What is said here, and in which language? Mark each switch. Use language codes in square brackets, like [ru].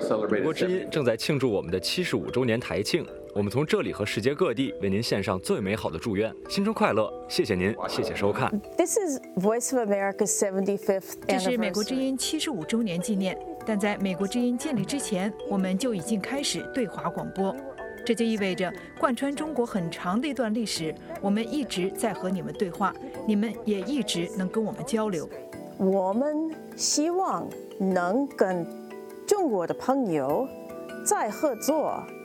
[zh] 美国之音正在庆祝我们的75周年台庆，我们从这里和世界各地为您献上最美好的祝愿，新春快乐！谢谢您，谢谢收看。 [en] This is Voice of America's 75th anniversary. [zh] 这是美国之音75周年纪念，但在美国之音建立之前，我们就已经开始对华广播，这就意味着贯穿中国很长的一段历史，我们一直在和你们对话，你们也一直能跟我们交流。我们希望能跟中国的朋友再合作。